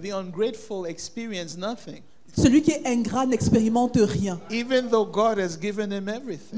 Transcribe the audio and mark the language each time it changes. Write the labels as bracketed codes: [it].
[en] the ungrateful experience nothing. [fr] Celui qui est ingrat n'expérimente rien. [en] Even though God has given him everything.